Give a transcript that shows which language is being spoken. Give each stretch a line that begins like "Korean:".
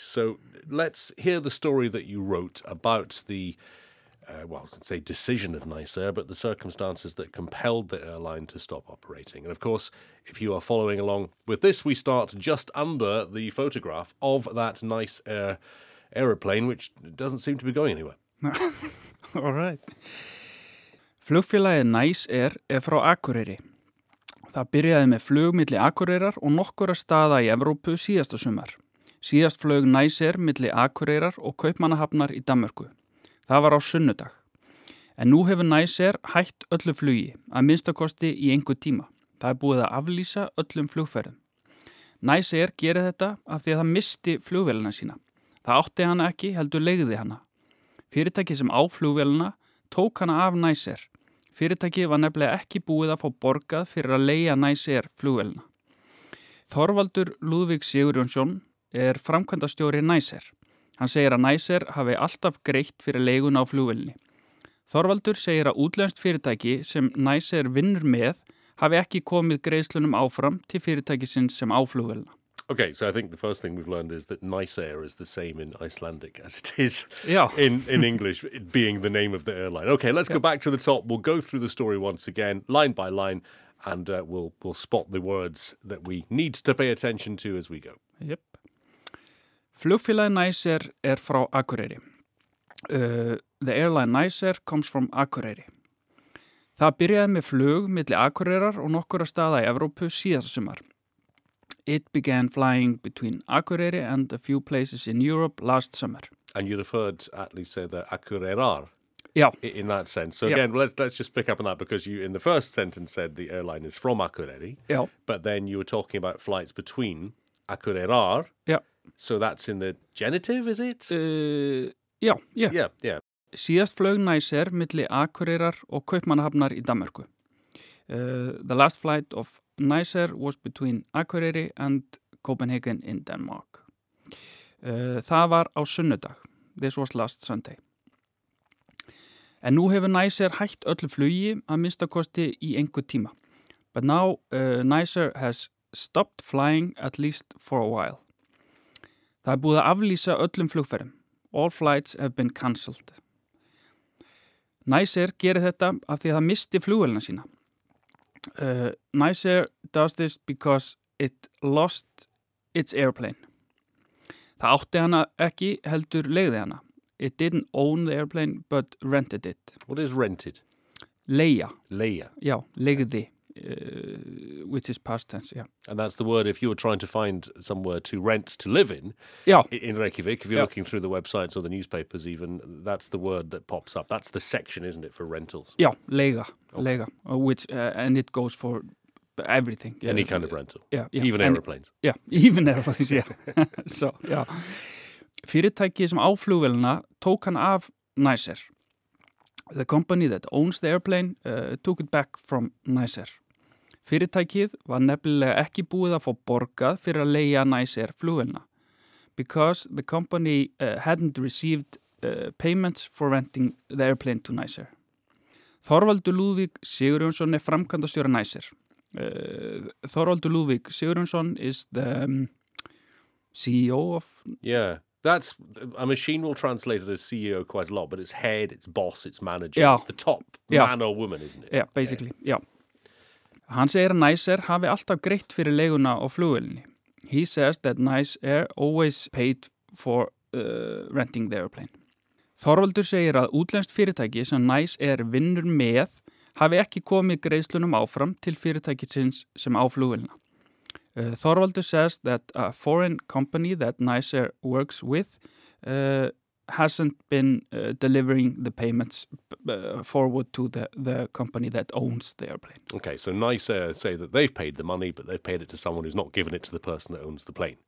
English: So let's hear the story that you wrote about the decision of Niceair, but the circumstances that compelled the airline to stop operating. And of course, if you are following along with this, we start just under the photograph of that Niceair aeroplane, which doesn't seem to be going anywhere. All right.
Icelandic: Flugfélagið Niceair frá Akureyri. Það byrjaði með flug milli Akureyrar og nokkurra staða í Evrópu síðasta sumar. Síðast flög Niceair milli Akureyrar og Kaupmannahafnar í Danmörku. Það var á sunnudag. En nú hefur Niceair hætt öllu flugi, að minnstakosti í einhver tíma. Það búið að aflýsa öllum flugferðum. Niceair gerir þetta af því að það misti flugvélina sína. Það átti hana ekki, heldur leigði hana. Fyrirtæki sem á flugvélina tók hana af Niceair. Fyrirtæki var nefnilega ekki búið að fá borgað fyrir að leigja Niceair flugvélina. Þorvaldur Lúðvík Sigurjónsson framkvæmdastjóri Niceair. Hann segir að Niceair hafi alltaf greitt fyrir leiguna á flugvélinni. Þorvaldur segir að útlenskt fyrirtæki sem Niceair vinnur með hafi ekki komið greiðslunum áfram til fyrirtækisins sem á flugvélina.
English: Okay, so I think the first thing we've learned is that Niceair is the same in Icelandic as it is in English, it being the name of the airline. Okay, let's go back to the top. We'll go through the story once again, line by line, and we'll spot the words that we need to pay attention to as we go.
Icelandic: Yep. Flugfélagi Niceair frá Akureyri.
English: The airline Niceair comes from Akureyri.
Icelandic: Það byrjaði með flug milli Akureyrar og nokkurra staða í Evrópu síðasta sumar.
English: It began flying between Akureyri and a few places in Europe last summer. And you referred, at least say, the Akureyrar. Yeah. In that sense. So again, let's just pick up on that because you, in the first sentence, said the airline is from Akureyri. Yeah. But then you were talking about flights between Akureyrar. Yeah. So that's in the genitive, is it? Yeah.
Icelandic: Síðast flög Niceair milli Akureyrar og Kaupmannahafnar í Danmörku.
English: The last flight of Niceair was between Akureyri and Copenhagen in Denmark.
Icelandic: Það var á sunnudag.
English: This was last Sunday.
Icelandic: En nú hefur Niceair hætt öllu flugi að minnstakosti í einhver tíma.
English: But now Niceair has stopped flying at least for a while.
Icelandic: Það búið að aflýsa öllum flugferðum.
English: All flights have been cancelled.
Icelandic: Niceair gerir þetta af því að það misti flugvélina sína.
English: Niceair does this because it lost its airplane.
Icelandic: Það átti hana ekki, heldur leigði hana.
English: It didn't own the airplane, but rented it. What is rented?
Icelandic: Leigja. Leigja. Já, leigði.
English: Which is past tense, yeah. And that's the word if you were trying to find somewhere to rent to live in, in Reykjavik, if you're looking through the websites or the newspapers even, that's the word that pops up. That's the section, isn't it, for rentals? Yeah, leiga, leiga, which, and it goes for everything. Yeah. Any kind of rental. Yeah. Even aeroplanes. Yeah, even aeroplanes, yeah. So, yeah.
Icelandic: Fyrirtæki sem á flugvélina tók hann af Niceair.
English: The company that owns the airplane took it back from Niceair.
Icelandic: Fyrirtækið var nefnilega ekki búið að fá borgað fyrir að leigja Niceair flugvélina.
English: Because the company hadn't received payments for renting the airplane to Niceair.
Icelandic: Þorvaldur Lúðvík Sigurjónsson framkvæmdastjóri Niceair. Þorvaldur Lúðvík Sigurjónsson
English: is the CEO of... Yeah. That's, a machine will translate it as CEO quite a lot, but it's head, it's boss, it's manager, it's the top man or woman, isn't it? Yeah, basically,
Icelandic: Hann segir að Niceair hafi alltaf greitt fyrir leiguna á flugvélinni.
English: He says that Niceair always paid for renting the airplane.
Icelandic: Þorvaldur segir að útlenskt fyrirtæki sem Niceair vinnur með hafi ekki komið greiðslunum áfram til fyrirtækisins sem á flugvélina.
English: Þorvaldur says that a foreign company that Niceair works with hasn't been delivering the payments forward to the company that owns the airplane. Okay, so Niceair say that they've paid the money, but they've paid it to someone who's not given it to the person that owns the plane.